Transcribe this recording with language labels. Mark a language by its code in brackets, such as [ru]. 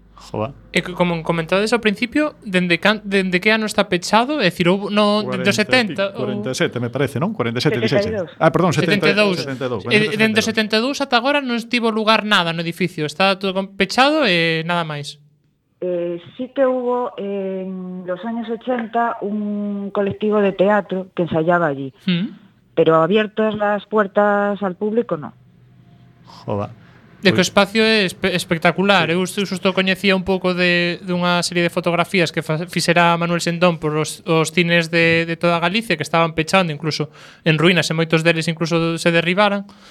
[gl] Joa. Como comentades ao principio, dende que ano está pechado? É dicir, dende os 70? 47, me parece, non? 47, 16. Ah, perdón, 72. 72. 72. Dende os 72 ata agora non estivo lugar nada no edificio. Está todo pechado e nada máis. [es] Sí que hubo en los años 80 un colectivo de teatro que ensayaba allí. ¿Mm? Pero abiertas las puertas al público, no. [gl] Joa. De que o espacio é espectacular. Sí. Eu xusto coñecía un pouco dunha serie de fotografías que fixera Manuel Sendón por os cines de toda Galicia, que estaban pechando incluso en ruínas, e moitos deles incluso se derribaran.